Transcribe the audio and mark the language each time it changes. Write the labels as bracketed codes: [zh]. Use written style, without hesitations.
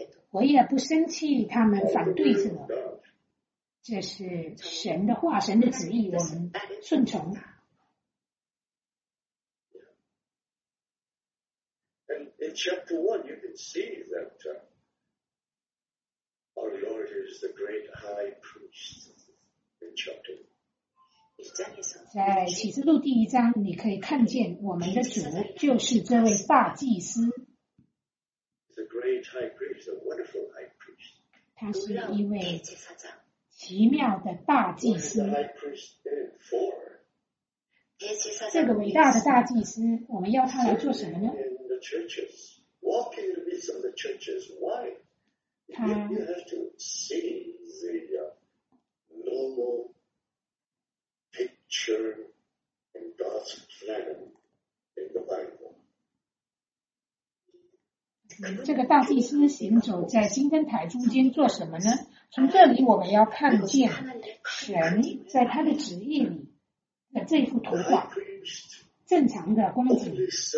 [zh] 我也不生气他们反对什么，这是神的话，神的旨意，我们顺从。 [en] And in chapter 1 you can see that our Lord is the great high priest in chapter 1. [zh] 在启示录第一章你可以看见我们的主就是这位大祭司。 [en] The great high priest, a wonderful high priest. [zh] 他是一位奇妙的大祭司。 [en] The high priest in four. [zh] 这个伟大的大祭司，我们要他来做什么呢？ [en] In the churches, walking in the midst of the churches. Why? You have to see the normal picture in God's plan in the Bible. [zh] 这个大祭司行走在金灯台中间做什么呢？从这里我们要看见神在他的旨意里的这幅图画，正常的光景。